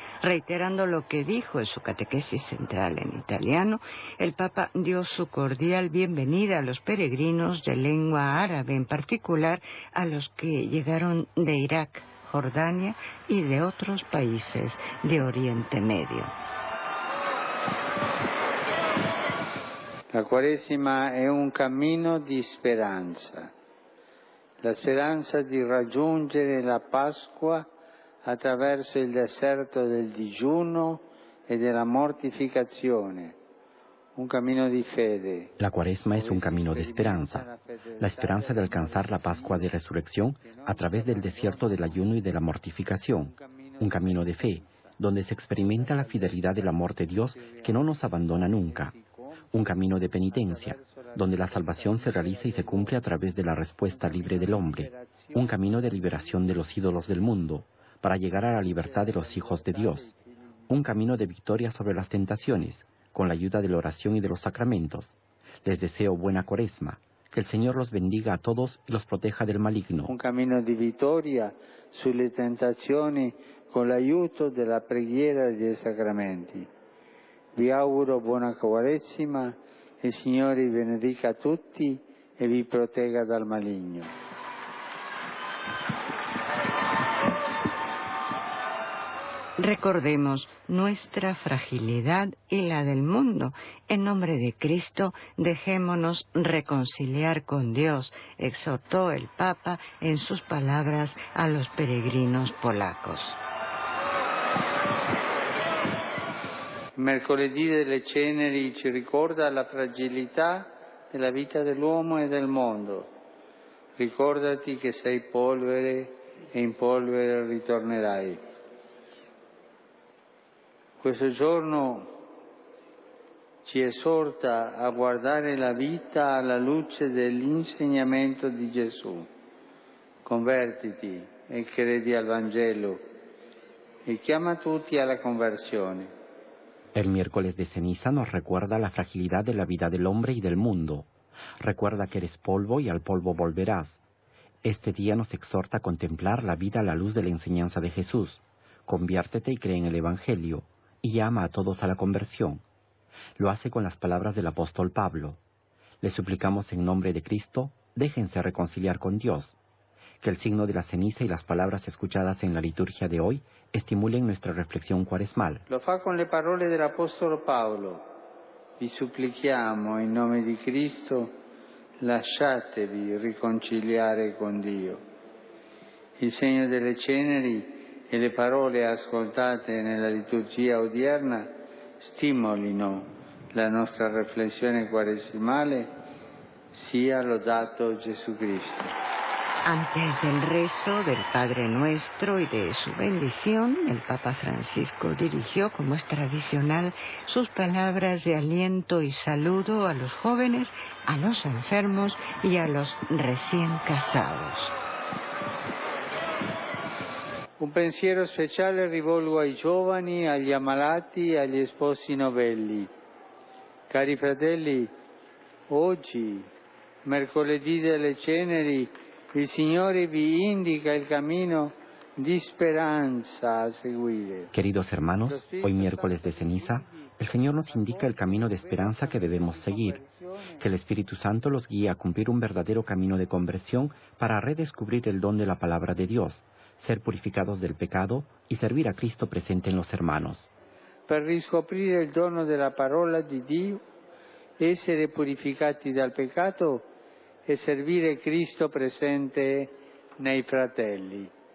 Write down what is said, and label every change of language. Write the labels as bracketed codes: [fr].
[es] Reiterando lo que dijo en su catequesis central en italiano, el Papa dio su cordial bienvenida a los peregrinos de lengua árabe, en particular a los que llegaron de Irak, Jordania y de otros países de Oriente Medio. [it] La cuaresima è un cammino di speranza, la speranza di raggiungere la Pasqua attraverso il deserto del digiuno e della mortificazione. Un cammino di fede. [es] La cuaresma es un camino de esperanza, la esperanza de alcanzar la Pascua de Resurrección a través del desierto del ayuno y de la mortificación. Un camino de fe, donde se experimenta la fidelidad del amor de Dios que no nos abandona nunca. Un camino de penitencia, donde la salvación se realiza y se cumple a través de la respuesta libre del hombre. Un camino de liberación de los ídolos del mundo, para llegar a la libertad de los hijos de Dios. Un camino de victoria sobre las tentaciones, con la ayuda de la oración y de los sacramentos. Les deseo buena cuaresma. Que el Señor los bendiga a todos y los proteja del maligno. Un camino de victoria sobre las tentaciones, con la ayuda de la preghiera y de los sacramentos. [it] Vi auguro buona Quaresima, il Signore benedica tutti e vi protegga dal maligno. [es] Recordemos nuestra fragilidad y la del mundo. En nombre de Cristo, dejémonos reconciliar con Dios, exhortó el Papa en sus palabras a los peregrinos polacos. [it] Mercoledì delle ceneri ci ricorda la fragilità della vita dell'uomo e del mondo. Ricordati che sei polvere e in polvere ritornerai. Questo giorno ci esorta a guardare la vita alla luce dell'insegnamento di Gesù. Convertiti e credi al Vangelo e chiama tutti alla conversione. [es] El miércoles de ceniza nos recuerda la fragilidad de la vida del hombre y del mundo. Recuerda que eres polvo y al polvo volverás. Este día nos exhorta a contemplar la vida a la luz de la enseñanza de Jesús. Conviértete y cree en el Evangelio, y llama a todos a la conversión. Lo hace con las palabras del apóstol Pablo. Le suplicamos en nombre de Cristo, déjense reconciliar con Dios. Que el signo de la ceniza y las palabras escuchadas en la liturgia de hoy estimulen nuestra reflexión cuaresmal. [it] Lo fa con le parole dell'apostolo Paolo. Vi supplichiamo in nome di Cristo, lasciatevi riconciliare con Dio. Il segno delle ceneri e le parole ascoltate nella liturgia odierna stimolino la nostra riflessione quaresimale, sia lodato Gesù Cristo. [es] Antes del rezo del Padre Nuestro y de su bendición, el Papa Francisco dirigió, como es tradicional, sus palabras de aliento y saludo a los jóvenes, a los enfermos y a los recién casados. [it] Un pensiero especial rivolgo ai giovani, agli ammalati, agli sposi novelli. Cari fratelli, oggi, mercoledì delle ceneri, il Signore vi indica il cammino di speranza a seguire. [es] Queridos hermanos, hoy miércoles de ceniza, el Señor nos indica el camino de esperanza que debemos seguir. Que el Espíritu Santo los guíe a cumplir un verdadero camino de conversión para redescubrir el don de la palabra de Dios, ser purificados del pecado y servir a Cristo presente en los hermanos. [it] Per riscoprire il dono della parola di Dio, essere purificati dal peccato e servire Cristo presente nei fratelli.